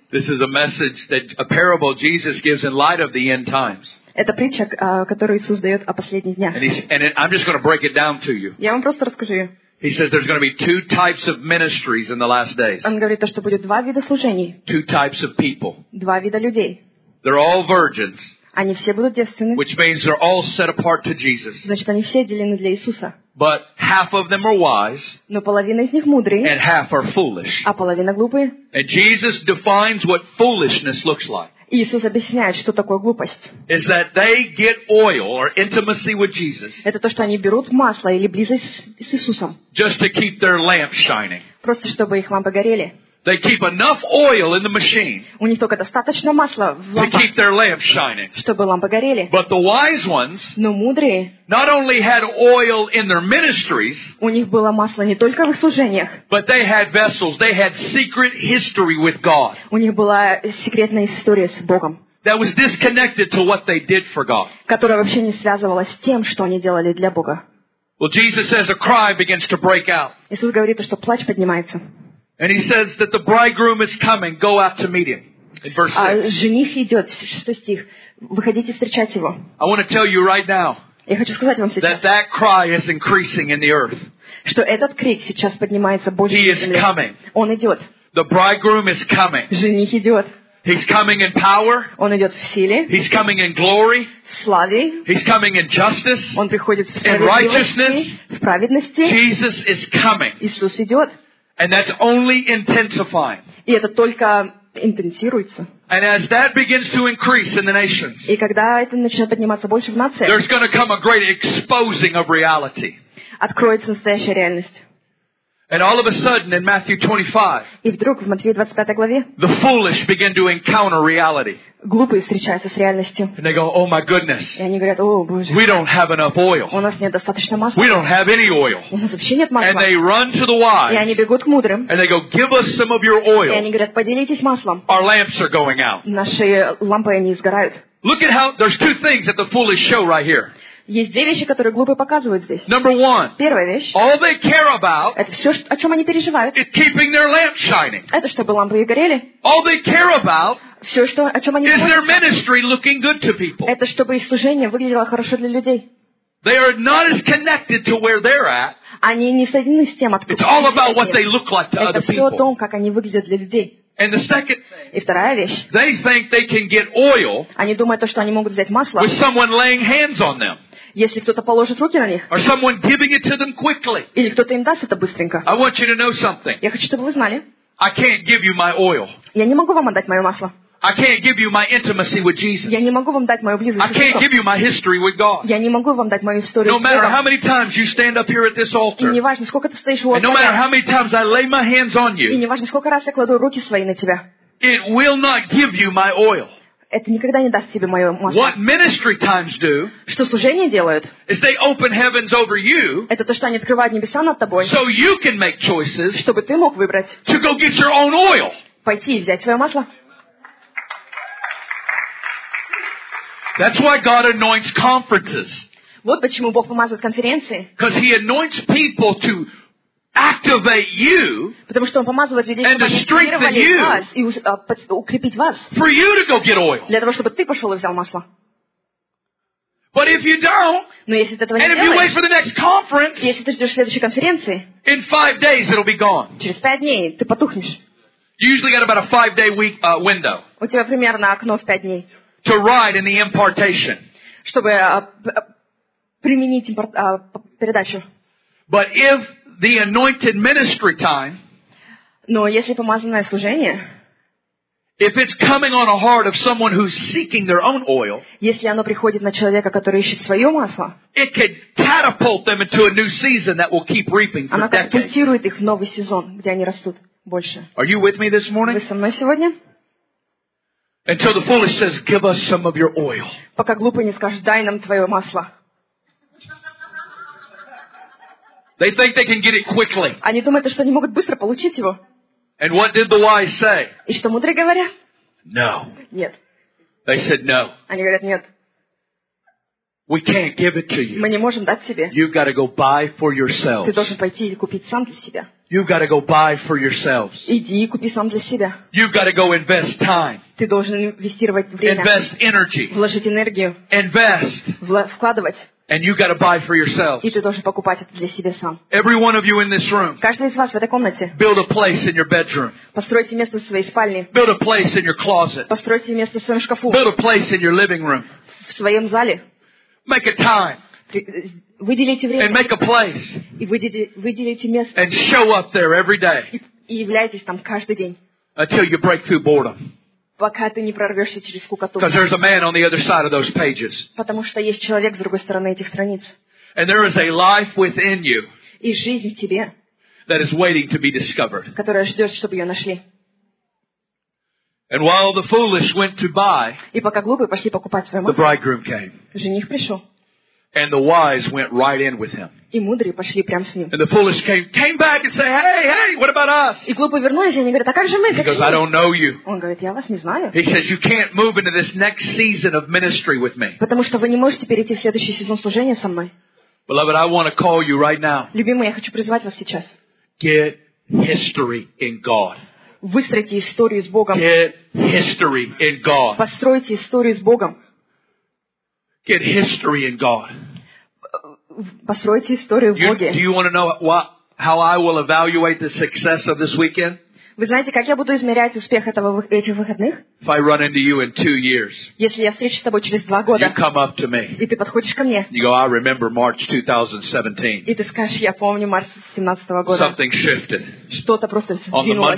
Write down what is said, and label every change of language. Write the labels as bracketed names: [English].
[English] This is a message that a parable Jesus gives in light of the end times. [Russian] Это притча, которую Иисус дает о последних днях. [English] And I'm just going to break it down to you. [Russian] Я вам просто расскажу ее. [English] He says there's going to be two types of ministries in the last days. [Russian] Он говорит, что будет два вида служений. [English] Two types of people. [Russian] Два вида людей. [English] They're all virgins. [Russian] Они все будут девственны. [English] Which means they're all set apart to Jesus. [Russian] Значит, они все отделены для Иисуса. [English] But half of them are wise. [Russian] Но половина из них мудрые. [English] And half are foolish. [Russian] А половина глупые. [English] And Jesus defines what foolishness looks like. [Russian] Иисус объясняет, что такое глупость. [English] Is that they get oil or intimacy with Jesus. [Russian] Это то, что они берут масло или близость с Иисусом. [English] Just to keep their lamp shining. [Russian] Просто чтобы их лампы горели. [English] They keep enough oil in the machine. [Russian] У них только достаточно масла в лампах. [English] To keep their lamps shining. [Russian] Чтобы лампы горели. [English] But the wise ones. [Russian] Но мудрые. [English] Not only had oil in their ministries. [Russian] У них было масло не только в их служениях. [English] But they had vessels. They had secret history with God. [Russian] У них была секретная история с Богом. [English] That was disconnected to what they did for God. [Russian] Которая вообще не связывалась с тем, что они делали для Бога. [English] Well, Jesus says a cry begins to break out. [Russian] Иисус говорит, что плач поднимается. [English] And he says that the bridegroom is coming. Go out to meet him. In verse 6. [Russian] Жених идет. Шестой стих. Выходите встречать его. [English] I want to tell you right now. [Russian] Я хочу сказать вам сейчас. [English] That cry is increasing in the earth. [Russian] Что этот крик сейчас поднимается больше на земле. [English] He is coming. [Russian] Он идет. [English] The bridegroom is coming. [Russian] Жених идет. [English] He's coming in power. [Russian] Он идет в силе. [English] He's coming in glory. [Russian] В славе. [English] He's coming in justice. [Russian] Он приходит в справедливости. [English] In righteousness. [Russian] В праведности. [English] Jesus is coming. [Russian] Иисус идет. [English] And that's only intensifying. [Russian] И это только интенсируется. [English] And as that begins to increase in the nations. [Russian] И когда это начнет подниматься больше в нациях. [English] There's going to come a great exposing of reality. [Russian] Откроется настоящая реальность. [English] And all of a sudden in Matthew 25. [Russian] И вдруг в Матфея 25 главе. [English] The foolish begin to encounter reality. [Russian] Глупые встречаются с реальностью. [English] And they go, "Oh my goodness." [Russian] И они говорят: "О, Боже. [English] We don't have enough oil." [Russian] У нас нет достаточно масла. [English] We don't have any oil. [Russian] У нас вообще нет масла. [English] And they run to the wise. [Russian] И они бегут к мудрым. [English] And they go, "Give us some of your oil." [Russian] И они говорят: "Поделитесь маслом." [English] Our lamps are going out. [Russian] Наши лампы они сгорают. [English] Look at how there's two things that the foolish show right here. [Russian] Есть две вещи, которые глупые показывают здесь. [English] Number one. [Russian] Первая вещь. [English] All they care about. [Russian] Это все, о чем они переживают. [English] Is keeping their lamp shining. [Russian] Это чтобы лампы их горели. [English] All they care about. [Russian] Все, что, о чем они [English] Is their ministry looking good to people. [Russian] Это чтобы их служение выглядело хорошо для людей. [English] They are not as connected to where they're at. [Russian] Они не соединены с тем, откуда. [English] It's all about what they look like to other people. [Russian] Это все о том, как они выглядят для людей. [English] And the second thing, they think they can get oil. [Russian] Они думают, что они могут взять масло. [English] With someone laying hands on them. [Russian] Если кто-то положит руки на них. [English] Or someone giving it to them quickly. [Russian] Или кто-то им даст это быстренько. [English] I want you to know something. [Russian] Я хочу, чтобы вы знали. [English] I can't give you my oil. [Russian] Я не могу вам отдать мое масло. [English] I can't give you my intimacy with Jesus. [Russian] Я не могу вам дать мою близость с Иисусом. [English] I can't give you my history with God. [Russian] Я не могу вам дать мою историю с Богом. [English] No matter how many times you stand up here at this altar. [Russian] И не важно, сколько ты стоишь у алтаря. [English] No matter how many times I lay my hands on you. [Russian] И не важно, сколько раз я кладу руки свои на тебя. [English] It will not give you my oil. [Russian] Это никогда не даст тебе мое масло. [English] What ministry times do? [Russian] Что служение делают? [English] Is they open heavens over you? [Russian] Это то, что они открывают небеса над тобой. [English] So you can make choices. [Russian] Чтобы ты мог выбрать. [English] To go get your own oil. [Russian] Пойти и взять свое масло. [English] That's why God anoints conferences. [Russian] Вот почему Бог помазывает конференции. [English] Because He anoints people to activate you. [Russian] Потому что Он помазывает людей, [English] and [Russian] чтобы [English] to strengthen you. [Russian] Вас и укрепить вас. [English] For you to go get oil. [Russian] Для того, чтобы ты пошел и взял масло. [English] But if you don't, [Russian] но если ты этого [English] and [Russian] не [English] if [Russian] делаешь, [English] you wait for the next conference, [Russian] если ты ждешь следующей конференции, [English] in 5 days it'll be gone. [Russian] Через 5 дней ты потухнешь. [English] You usually got about a 5-day week window. [Russian] У тебя примерно окно в 5 дней. [English] To ride in the impartation. [Russian] Чтобы применить передачу. [English] But if the anointed ministry time. [Russian] Но если помазанное служение. [English] If it's coming on a heart of someone who's seeking their own oil. [Russian] Если оно приходит на человека, который ищет свое масло. [English] It could catapult them into a new season that will keep reaping for decades. [Russian] Оно катапультирует их в новый сезон, где они растут больше. [English] Are you with me this morning? [Russian] Вы со мной сегодня? [English] And so the foolish says, "Give us some of your oil." [Russian] Пока глупый не скажет, дай нам твое масло. [English] They think they can get it quickly. [Russian] Они думают, что они могут быстро получить его. [English] And what did the wise say? [Russian] И что мудрые говорят? [English] No. [Russian] Нет. [English] They said no. [Russian] Они говорят нет. [English] We can't give it to you. [Russian] Мы не можем дать тебе. [English] You've got to go buy for yourselves. [Russian] Ты должен пойти и купить сам для себя. [English] You've got to go buy for yourselves. [Russian] Иди и купи сам для себя. [English] You've got to go invest time. [Russian] Ты должен инвестировать время. [English] Invest energy. [Russian] Вложить энергию. [English] Invest. [Russian] Вкладывать. [English] And you've got to buy for yourselves. [Russian] И ты должен покупать это для себя сам. [English] Every one of you in this room. [Russian] Каждый из вас в этой комнате. [English] Build a place in your bedroom. [Russian] Постройте место в своей спальне. [English] Build a place in your closet. [Russian] Постройте место в своем шкафу. [English] Build a place in your living room. [Russian] В своем зале. [English] Make a time. [Russian] Выделите время. [English] And make a place. [Russian] И выделите место. [English] And show up there every day. [Russian] И являйтесь там каждый день. [English] Until you break through boredom. [Russian] Пока ты не прорвешься через скукоту. [English] Because there's a man on the other side of those pages. [Russian] Потому что есть человек с другой стороны этих страниц. [English] And there is a life within you. [Russian] И жизнь в тебе. [English] That is waiting to be discovered. [Russian] Которая ждет, чтобы ее нашли. [English] And while the foolish went to buy. [Russian] И пока глупые пошли покупать свое масло. [English] The bridegroom came. [Russian] Жених пришел. [English] And the wise went right in with him. [Russian] И мудрые пошли прямо с ним. [English] And the foolish came back and said, Hey, what about us? [Russian] И глупые вернулись, и они говорят, а как же мы? [English] He goes, I don't know you. [Russian] Он говорит, я вас не знаю. [English] He says, you can't move into this next season of ministry with me. [Russian] Потому что вы не можете перейти в следующий сезон служения со мной. [English] Beloved, I want to call you right now. [Russian] Любимый, я хочу призвать вас сейчас. [English] Get history in God. [Russian] Выстройте историю с Богом. [English] Get history in God. [Russian] Постройте историю с Богом. [English] Get history in God. [Russian] Постройте историю в Боге. [English] Do you want to know how I will evaluate the success of this weekend? [Russian] Вы знаете, как я буду измерять успех этих выходных? [English] If I run into you in 2 years. [Russian] Если я встречусь с тобой через 2 года. [English] You come up to me. [Russian] И ты подходишь ко мне. [English] You go, I remember March 2017. [Russian] И ты скажешь, я помню март 2017 года. [English] Something shifted. [Russian] Что-то просто сдвинулось.